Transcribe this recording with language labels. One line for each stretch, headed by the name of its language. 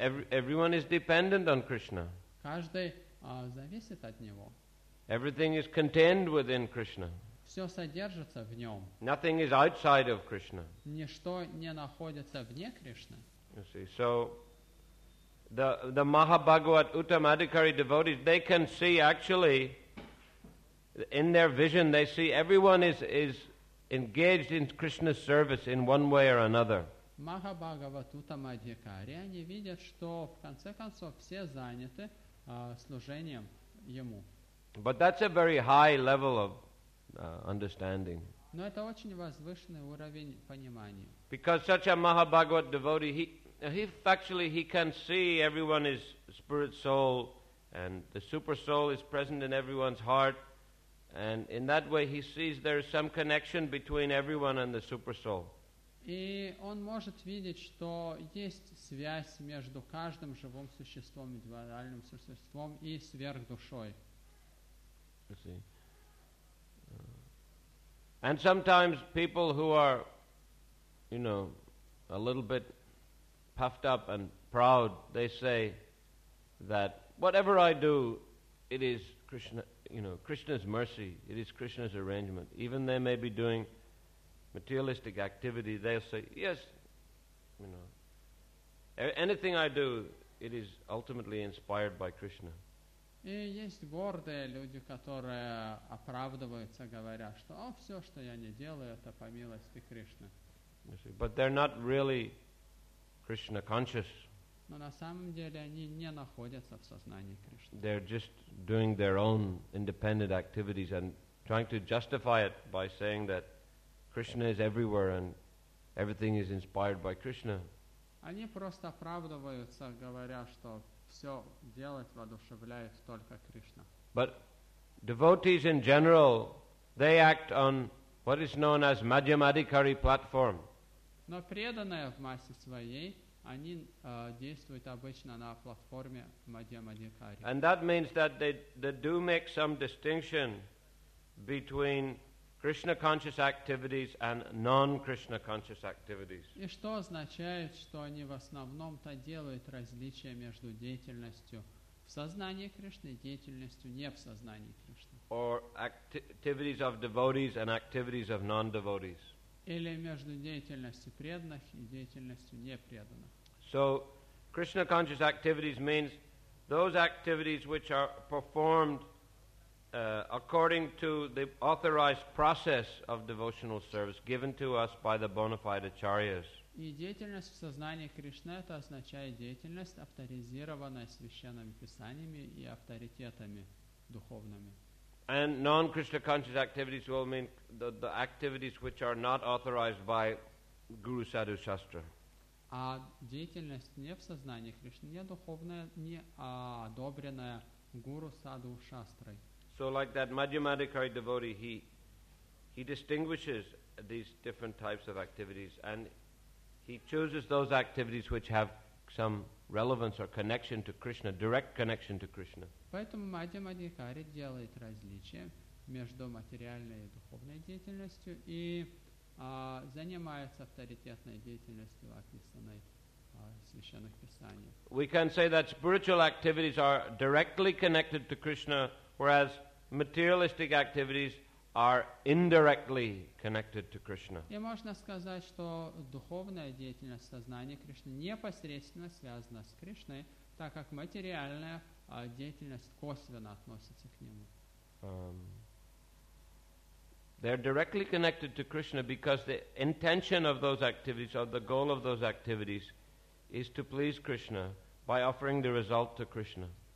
English: Everyone is dependent on Krishna.
Russian: Каждый зависит от него.
English: Everything is contained within Krishna.
Russian: Все содержится в нем.
English: Nothing is outside of Krishna.
Russian: Ничто не находится вне Кришны.
English: You see, so the Mahabhagavat Uttamadhikari devotees, they can see actually in their vision, they see everyone is engaged in Krishna's service in one way or another.
Russian: Mahabhagavat Uttamadhikari, они видят, что в конце концов все заняты служением ему.
English: But that's a very high level of understanding.
Russian: Но это очень возвышенный уровень понимания.
English: Because such a Mahabhagavat devotee, he can see everyone is spirit soul, and the super soul is present in everyone's heart, and in that way he sees there is some connection between everyone and the super soul.
Russian: И он может видеть, что есть связь между каждым живым существом, индивидуальным существом и сверхдушой.
English: And sometimes people who are, you know, a little bit puffed up and proud, they say that whatever I do, it is Krishna, you know, Krishna's mercy, it is Krishna's arrangement. Even they may be doing materialistic activity, they'll say, yes, you know, anything I do, it is ultimately inspired by Krishna.
Russian: И есть гордые люди, которые оправдываются, говоря, что «О, все, что я не делаю, это по милости Кришны».
English: But they're not really Krishna conscious.
Russian: Но на самом деле они не находятся в сознании Кришны.
English: They're just doing their own independent activities and trying to justify it by saying that Krishna is everywhere and everything is inspired by Krishna.
Russian: Они просто оправдываются, говоря, что все делать воодушевляет только Кришна.
English: But devotees in general, they act on what is known as Madhyamadhikari platform.
Russian: Но преданные в массе своей, они действуют обычно на платформе Мадхьямадхикари.
English: And that means that they do make some distinction between Krishna conscious activities and non-Krishna conscious activities.
Russian: И что означает, что они в основном-то делают различие между деятельностью в сознании Кришны и деятельностью не в сознании Кришны.
English: Or activities of devotees and activities of non-devotees.
Russian: Или между деятельностью преданных и деятельностью непреданных.
English: So, Krishna conscious activities means those activities which are performed according to the authorized process of devotional service given to us by the bona fide acharyas.
Russian: И деятельность в сознании Кришны, это означает деятельность, авторизированная священными писаниями и авторитетами духовными.
English: And non-Krishna conscious activities will mean the activities which are not authorized by Guru Sadhu Shastra.
Russian: А деятельность не в сознании Кришны, не духовная, не одобренная Guru Sadhu Shastrai.
English: So like that Madhyamadhikari devotee, he distinguishes these different types of activities and he chooses those activities which have some relevance or connection to Krishna, direct connection to Krishna.
Russian: Поэтому Мадхьямадхикари делает различие между материальной и духовной деятельностью и занимается авторитетной деятельностью описанной в священных писаниях.
English: We can say that spiritual activities are directly connected to Krishna, whereas materialistic activities are indirectly connected to Krishna.
Russian: И можно сказать, что духовная деятельность сознания Кришны непосредственно связана с Кришной, так как материальная деятельность косвенно относится к нему.
English: They're directly connected to Krishna because the intention of those activities or the goal of those activities is to please Krishna by offering the result to Krishna.